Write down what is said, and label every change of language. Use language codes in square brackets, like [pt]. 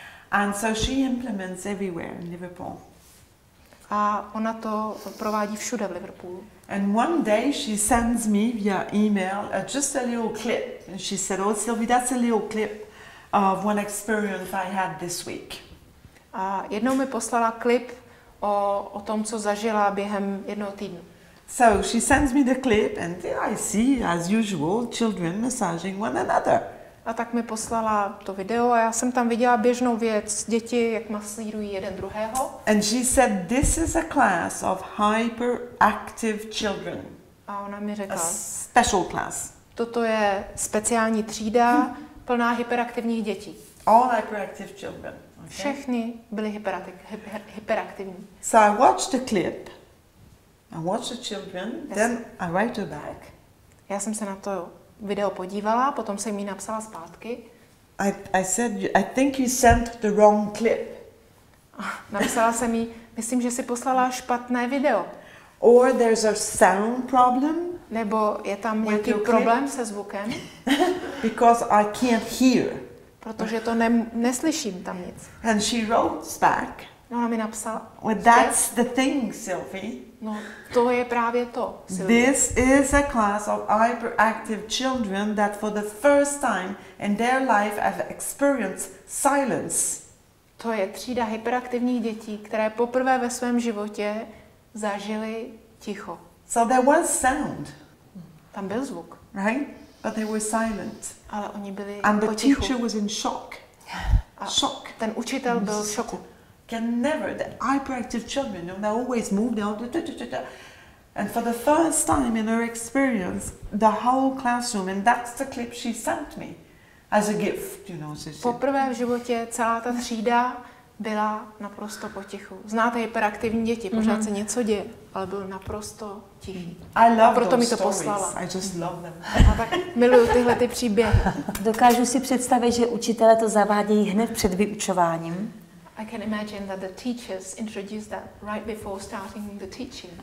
[en] And so she implements everywhere in Liverpool. [cs] A ona to provádí všude v Liverpoolu. [en] And one day she sends me via email just a little clip. And she said, oh Sylvie, that's a little clip of one experience I had this week. [cs] A jednou mi poslala klip o tom, co zažila během jednoho týdne. [en] So she sends me the clip and I see, as usual, children massaging one another. [cs] A tak mi poslala to video a já jsem tam viděla běžnou věc, děti, jak masírují jeden druhého. [en] And she said, this is a class of hyperactive children. [cs] A ona mi řekla, [en] a special class. [cs] Toto je speciální třída plná hyperaktivních dětí. [en] All hyperactive children. Okay. [cs] Všechny byly hyperaktivní. [en] So I watched the clip, I watched the children, then I write her back. [cs] Já jsem se na to video podívala, potom jsem jí napsala zpátky. [en] I said, I think you sent the wrong clip. [cs] Napsala jsem jí, myslím, že si poslala špatné video. [en] Or there's a sound problem. [cs] Nebo je tam nějaký problém se zvukem. [en] Because I can't hear. [cs] Protože to neslyším tam nic. [en] And she wrote back. [cs] No, ona mi napsala. [en] Well, that's the thing, Sylvie. [cs] No, to je právě to, Sylvie. [en] This is a class of hyperactive children that for the first time in their life have experienced silence. [cs] To je třída hyperaktivních dětí, které poprvé ve svém životě zažily ticho. [en] So there was sound. [cs] Tam byl zvuk. [en] Right? But they were silent. [cs] Ale oni byli [en] And [cs] potichu. [en] The teacher was in shock. A shock. [cs] Ten učitel byl v šoku. [en] Can never the hyperactive children, you know, they always move, they all do, do, do, do, do. And for the first time in her experience, the whole classroom, and that's the clip she sent me as a gift, you know. [cs] Poprvé v životě celá ta třída byla naprosto potichu. Znáte hyperaktivní děti, pořád se něco děje, ale byl naprosto tichý. [en] I love [cs] a proto mi to [en] stories. [cs] Poslala. [en] I just love them. [cs] A tak miluju tyhle ty příběhy. Dokážu si představit, že učitelé to zavádějí hned před vyučováním. A [en] I can imagine that the teachers introduced that right before starting the teaching.